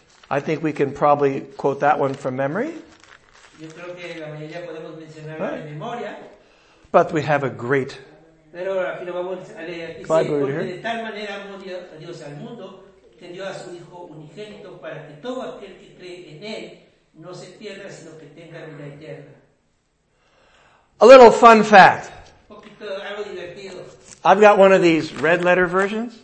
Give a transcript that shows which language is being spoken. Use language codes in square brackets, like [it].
[en] I think we can probably quote that one from memory. [es] Yo creo que la mayoría podemos mencionarla de memoria. [en] But we have a great Bible right here. [es] De tal manera amó Dios al mundo, que dio a su Hijo unigénito para que todo aquel que cree en Él no se pierda, sino que tenga vida eterna. [en] A little fun fact. [es] Un poquito, algo divertido. [en] I've got one of these red letter versions.